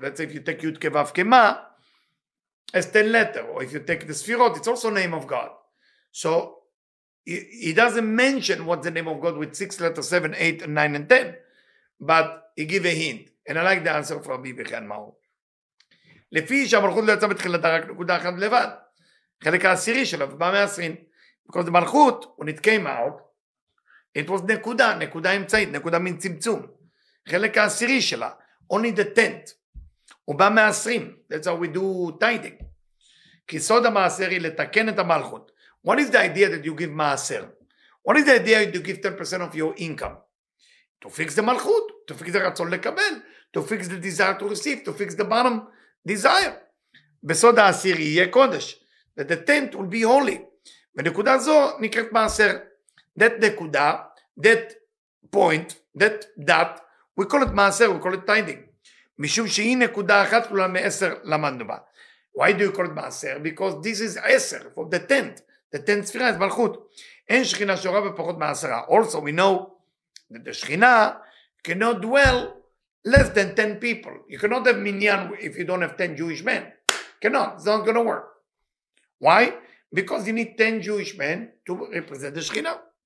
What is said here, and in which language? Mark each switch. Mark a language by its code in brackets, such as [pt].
[en] Let's say if you take Yud Kev Vav Kema, as 10 letters. Or if you take the Sefirot, it's also name of God. So he doesn't mention what the name of God with 6 letters, 7, 8, 9, and 10. But he gives a hint. And I like the answer from Rabbi Chan Maor. [he] לפי שהמלכות לא יצא בתחילתה רק נקודה אחת לבד. חלק העשירי שלו, בא מהעשרים. [en] Because the מלכות, when it came out, it was [he] נקודה, נקודה אמצעית, נקודה מן צמצום. חלק העשירי שלה, [en] only the tenth, [he] ובא מעשרים. [en] That's how we do tithing. [he] כי סוד המעשר היא לתקן את המלכות. [en] What is the idea that you give מעשר? What is the idea that you give 10% of your income? To fix the מלכות, to fix the רצון לקבל, to fix the desire to receive, to fix the bottom desire. [he] בסוד העשירי יהיה קודש. [en] That the tenth will be holy. [he] בנקודה זו נקראת מעשר. [en] That נקודה, that point, that, we call it מעשר, we call it tithing. [he] משום שהיא נקודה אחת כולה מעשר למדנו בה. [en] Why do you call it מעשר? Because this is עשר, for the tenth. The tenth ספירה, [he] זה מלכות. אין שכינה שורה בפחות מעשרה. [en] Also we know that the שכינה cannot dwell less than 10 people. You cannot have minyan if you don't have 10 Jewish men. Cannot, it's not going to work. Why? Because you need 10 Jewish men to represent the שכינה.